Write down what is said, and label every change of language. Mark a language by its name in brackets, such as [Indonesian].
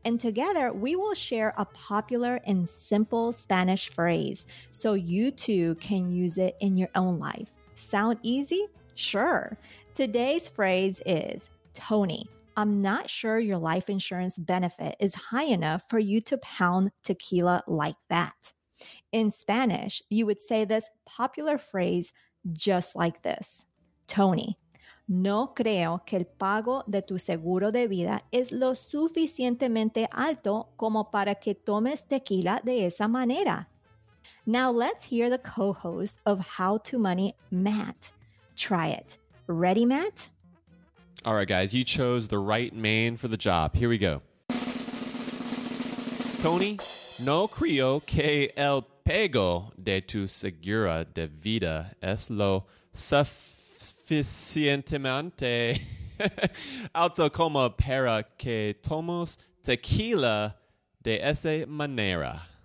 [English] And together, we will share a popular and simple Spanish phrase so you too can use it in your own life. Sound easy? Sure. Today's phrase is, Tony, I'm not sure your life insurance benefit is high enough for you to pound tequila like that. In Spanish, you would say this popular phrase just like this. [Spanish] Tony, no creo que el pago de tu seguro de vida es lo suficientemente alto como para que tomes tequila de esa manera. [English] Now let's hear the co-host of How to Money, Matt. Try it. Ready, Matt? All right, guys, you chose the right man for the job. Here we go. [Spanish] Tony, no creo que el pago de tu seguro de vida es lo suficientemente alto como para que tomes tequila de esa manera.